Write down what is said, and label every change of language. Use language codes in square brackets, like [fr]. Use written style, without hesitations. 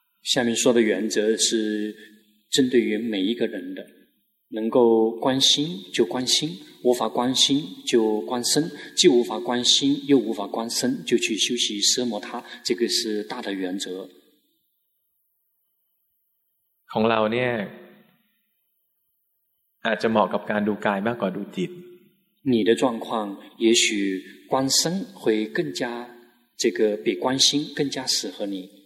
[zh] 下面说的原则是针对于每一个人的能够关心就关心无法关心就观身既无法关心又无法观身就去修习奢摩他这个是大的原则 [th] ของเราเนี่ยอาจจะเหมาะกับการดูกายมากกว่าดูจิต [zh] 你的状况也许观身会更加这个比观心更加适合你